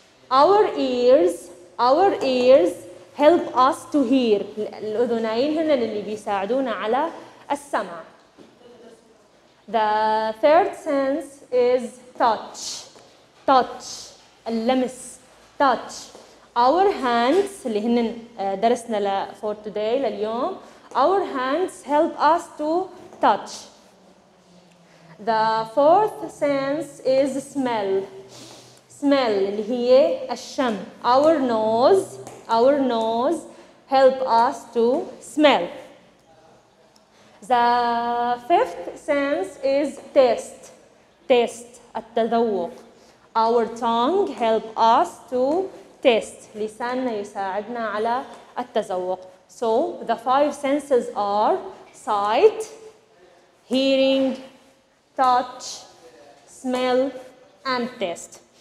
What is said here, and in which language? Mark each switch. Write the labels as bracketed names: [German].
[English] Our ears, our ears help us to hear. [Arabic] الأذنين هن اللي بيساعدونا على السمع. [English] The third sense is touch. Touch. اللمس. Touch. Our hands [Arabic] اللي هن درسنا [English] for today [Arabic] لليوم. [English] Our hands help us to touch. The fourth sense is smell. Smell [Arabic] اللي هي الشم. [English] Our nose. Our nose help us to smell. The fifth sense is taste. Taste, التذوق. Our tongue help us to taste. [Arabic] لساننا يساعدنا على التذوق. [English] So the five senses are sight, hearing, touch, smell, and taste.